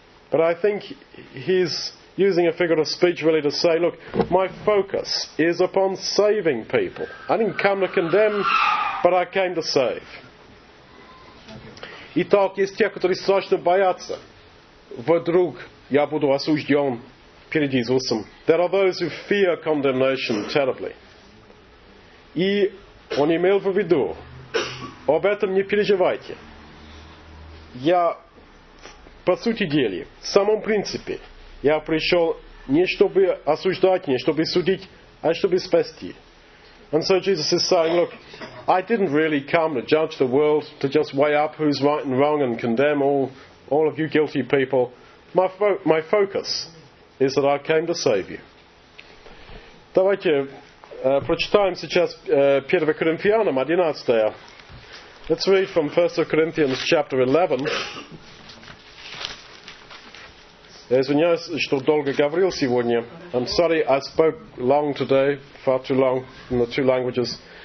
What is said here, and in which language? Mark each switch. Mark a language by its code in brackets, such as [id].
[en] But I think he's using a figure of speech really to say, look, my focus is upon saving people. I didn't come to condemn, but I came to save. [ru] Итак, есть те, которые страшно боятся. Вдруг я буду осужден. Перед Иисусом. [en] There are those who fear condemnation terribly. [ru] И он имел в виду, об этом не переживайте. Я, по сути дела, в самом принципе, я пришел не чтобы осуждать, не чтобы судить, а чтобы спасти. [en] And so Jesus is saying, look, I didn't really come to judge the world, to just weigh up who's right and wrong and condemn all of you guilty people. My focus is that I came to save you. [ru] Давайте прочитаем сейчас 1 Коринфянам 11. [en] Let's read from 1 Corinthians chapter 11. [ru] Я извиняюсь, что долго говорил сегодня. [en] I'm sorry, I spoke long today, far too long in the two languages.